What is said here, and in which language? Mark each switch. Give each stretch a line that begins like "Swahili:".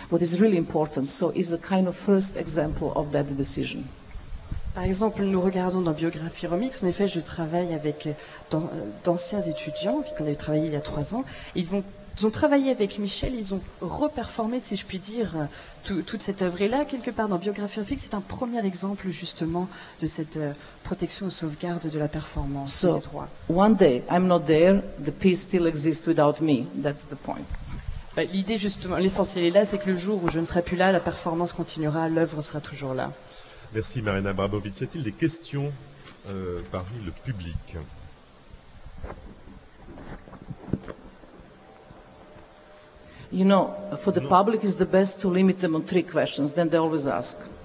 English: What is really important, so is a kind of first example. Of that decision.
French: Par exemple, nous regardons dans Biographie Remix, en effet, je travaille avec d'anciens étudiants avec qui on avait travaillé il y a 3 ans. Ils ont travaillé avec Michel, ils ont reperformé, si je puis dire, toute cette œuvre. Et là, quelque part, dans Biographie Remix, c'est un premier exemple, justement, de cette protection ou sauvegarde de la performance.
English: So,
French: des droits.
English: One day, I'm not there, the piece still exists without me. That's the point.
French: L'idée, justement, l'essentiel est là, c'est que le jour où je ne serai plus là, la performance continuera, l'œuvre sera toujours là. Merci Marina Abramovic. Y a-t-il des questions parmi le public ?
English: You know, for the public, it's the best to limit them on 3 questions, then they always ask.